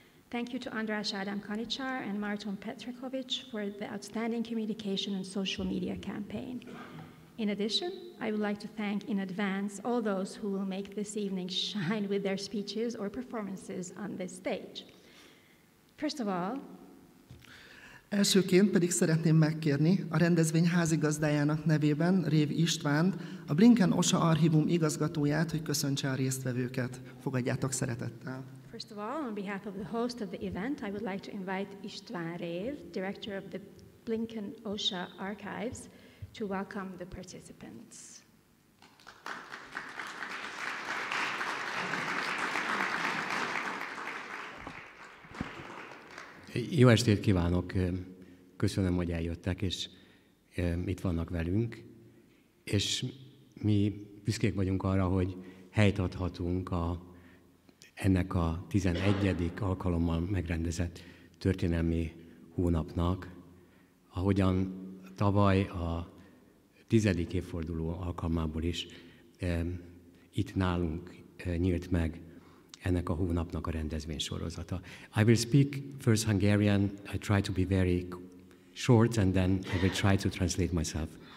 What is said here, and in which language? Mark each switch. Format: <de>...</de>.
<en>Thank you to András Ádám Kanicsár and Márton Petrekovic for the outstanding communication and social media campaign. In addition, I would like to thank in advance all those who will make this evening shine with their speeches or performances on this stage. First of all,</en> <hu>elsőként pedig szeretném megkérni a rendezvény házigazdájának nevében RÉV Istvánt, a Blinken OSA Archive igazgatóját, hogy köszöntse a résztvevőket. Fogadjátok szeretettel.</hu> <en>First of all, on behalf of the host of the event, I would like to invite István Rév, director of the Blinken OSA Archives, to welcome the participants.</en> <hu>Jó estét kívánok! Köszönöm, hogy eljöttek, és itt vannak velünk. És mi büszkék vagyunk arra, hogy helyt adhatunk ennek a 11. alkalommal megrendezett történelmi hónapnak, ahogyan tavaly a 10. évforduló alkalmából is itt nálunk nyílt meg ennek a hónapnak a rendezvénysorozata.</hu> <en>I will speak first Hungarian. I try to be very short, and then I will try to translate myself.</en>